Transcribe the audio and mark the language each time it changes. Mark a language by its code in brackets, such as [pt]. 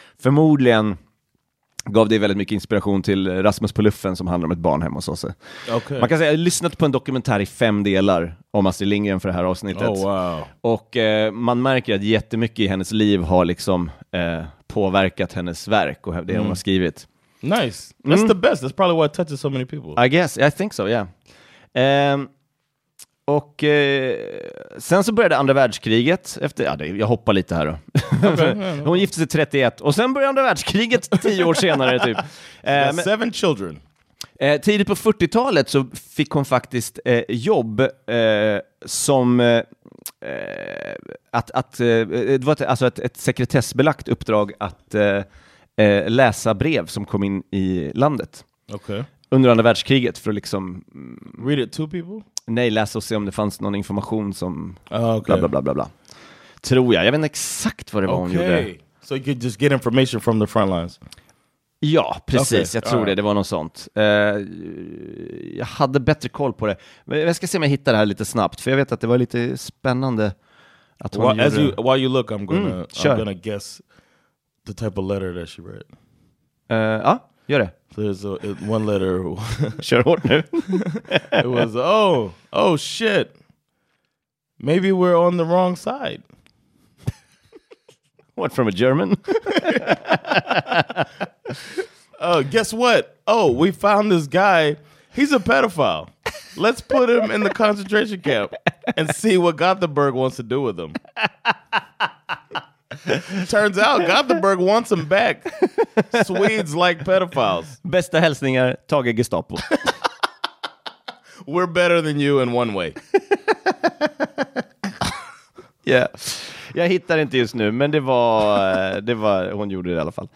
[sv] Förmodligen gav det väldigt mycket inspiration till Rasmus på luffen, som handlar om ett barn hemma hos oss. [en] Okay. [sv] Man kan säga, jag har lyssnat på en dokumentär i 5 delar om Astrid Lindgren för det här avsnittet. [en] Oh, wow. [sv] Och man märker att jättemycket i hennes liv har liksom påverkat hennes verk och det hon har skrivit. [en] Nice, that's the best, that's probably why it touches so many people. I guess, I think so, yeah. [sv] Och sen så började andra världskriget efter, ja, jag hoppar lite här då. [en] Okay. [sv] Hon gifte sig 31 och sen började andra världskriget 10 år senare typ. [en] Men, 7 children. [sv] Tidigt på 40-talet så fick hon faktiskt jobb som ett sekretessbelagt uppdrag att läsa brev som kom in i landet. [en] Okay. [sv] Under andra världskriget för att liksom [en] read it to people. [sv] Nej, läs och se om det fanns någon information som... [en] Okay. Bla, bla, bla, bla, bla. [sv] Tror jag. Jag vet inte exakt vad det var, [en] okay, [sv] hon gjorde. [en] So you could just get information from the front lines. [sv] Ja, precis. Okay. Jag tror det. Det var något sånt. Jag hade bättre koll på det. Men jag ska se om jag hittar det här lite snabbt. För jag vet att det var lite spännande att hon gjorde... [en] While you look, I'm gonna guess the type of letter that she wrote. [sv] Ja, gör det. [en] There's one letter. [sv] Kör hårt nu. [en] It was, oh shit. Maybe we're on the wrong side. What, from a German? guess what? Oh, we found this guy. He's a pedophile. Let's put him in the concentration camp and see what Gothenburg wants to do with him. Turns out Gothenburg wants him back. Swedes like pedophiles. [sv] Bästa hälsningar, Tage Gestapo. [en] We're better than you in one way. Yeah. [sv] Jag hittar inte just nu, men det var hon gjorde det i alla fall.